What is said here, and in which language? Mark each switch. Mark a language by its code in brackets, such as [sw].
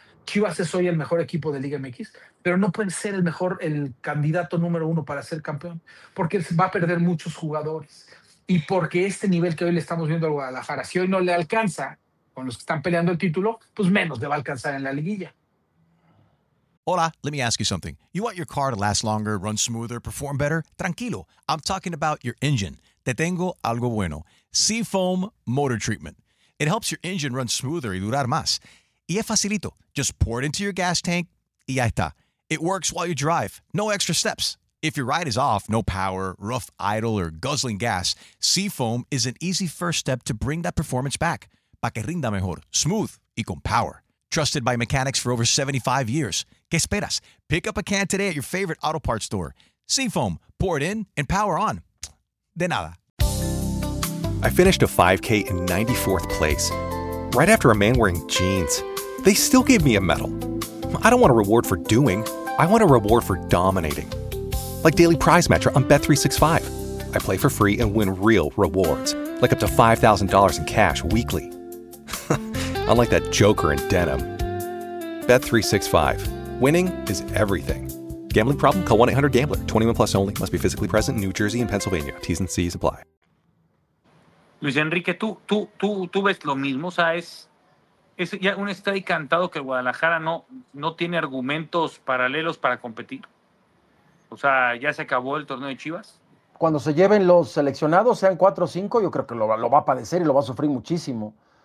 [es] Chivas es hoy el mejor equipo de Liga MX, pero no puede ser el candidato número 1 para ser campeón, porque va a perder muchos jugadores. Y porque este nivel que hoy le estamos viendo al Guadalajara, si hoy no le alcanza con los que están peleando el título, pues menos le va a alcanzar en la liguilla. Hola, [en] let me ask you something. You want your car to last longer, run smoother, perform better? [es] Tranquilo, [en] I'm talking about your engine. [es] Te tengo algo bueno. Seafoam Motor Treatment. [en] It helps your engine run smoother [es] y durar más. Y es facilito. [en] Just pour it into your gas tank [es] y ya está. [en] It works while you drive. No extra steps. If your ride is off, no power, rough idle, or guzzling gas, Seafoam is an easy first step to bring that performance back. [es] Pa que rinda mejor, smooth y con power. [en] Trusted by mechanics for over 75 years. [es] ¿Qué esperas? [en] Pick up a can today at your favorite auto parts store. Seafoam. Pour it in and power on. [es] De nada. [en] I finished a 5K in 94th place. Right after a man wearing jeans. They still gave me a medal. I don't want a reward for doing. I want a reward for dominating. Like Daily Prize Matcher on Bet365. I play for free and win real rewards. Like up to $5,000 in cash weekly. Unlike that joker in denim. Bet365. Winning is everything. Gambling problem? Call 1-800-GAMBLER. 21 plus only. Must be physically present in New Jersey and Pennsylvania. T's and C's apply. [es] Luis Enrique, tú ves lo mismo. O sea, es ya un estadio cantado que Guadalajara no tiene argumentos paralelos para competir. O sea, ¿ya se acabó el torneo de Chivas? Cuando se lleven los seleccionados, sean 4 o 5, yo creo que lo va a padecer y lo va a sufrir muchísimo.